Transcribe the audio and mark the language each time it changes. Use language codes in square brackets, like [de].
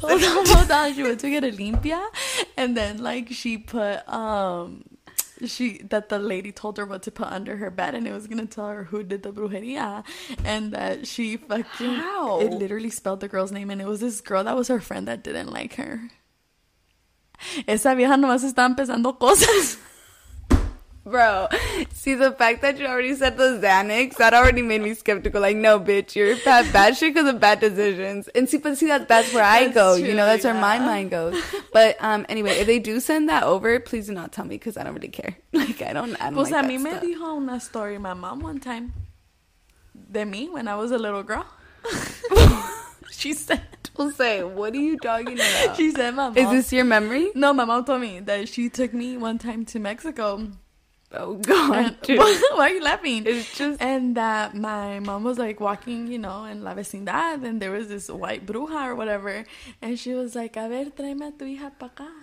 [en] Hold on. She went to get a limpia. And then, like, she put... the lady told her what to put under her bed, and it was gonna tell her who did the brujeria, and that she fucking... How? It literally spelled the girl's name, and it was this girl that was her friend that didn't like her. [es] Esa vieja nomás está empezando cosas. [en] Bro, see, the fact that you already said the Xanax, that already made me skeptical. Like, no, bitch, you're bad shit because of bad decisions. And see, that's where I go. True, you know, that's where my mind goes. But anyway, if they do send that over, please do not tell me because I don't really care. Like, I don't [es] pues [en] like that. [es] Pues a mí me dijo una [en] story my mom one time. [es] De mí [en] when I was a little girl. She said. We'll say, what are you talking about? She said, my mom. Is this your memory? No, my mom told me that she took me one time to Mexico. Oh, God. Why are you laughing? It's just... And that my mom was, like, walking, you know, in la vecindad, and there was this white bruja or whatever, and she was like, [es] a ver, tráeme a tu hija pa acá.